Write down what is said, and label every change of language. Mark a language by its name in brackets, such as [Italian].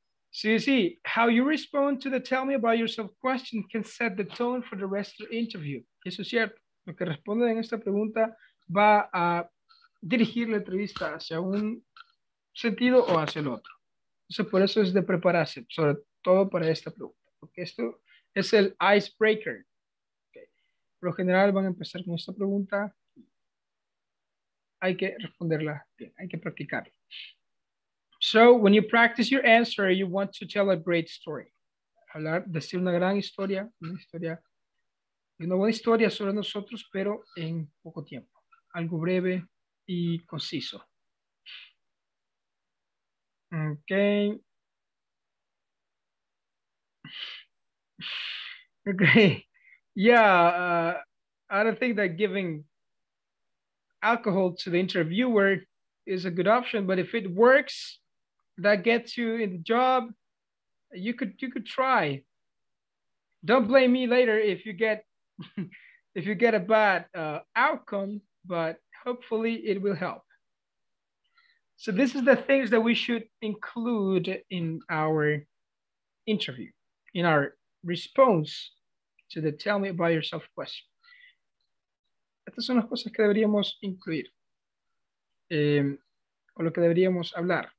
[English] So you see, how you respond to the tell me about yourself question can set the tone for the rest of the interview. [Spanish] Eso es cierto. Lo que responde en esta pregunta va a dirigir la entrevista hacia un sentido o hacia el otro. Eso por eso es de prepararse, sobre todo para esta pregunta. Porque esto es el icebreaker. Okay. Por lo general van a empezar con esta pregunta. Hay que responderla bien, hay que practicarla. [English] So, when you practice your answer, you want to tell a great story. [Spanish] Hablar, decir una gran historia, una historia, una buena historia sobre nosotros, pero en poco tiempo. Algo breve y conciso. Okay. Okay. [English] Yeah, I don't think that giving alcohol to the interviewer is a good option, but if it works, that gets you in the job, you could try. Don't blame me later if you get a bad outcome, but hopefully it will help. So this is the things that we should include in our interview, in our response to the tell me about yourself question. [Spanish] Estas son las cosas que deberíamos incluir, o lo que deberíamos hablar.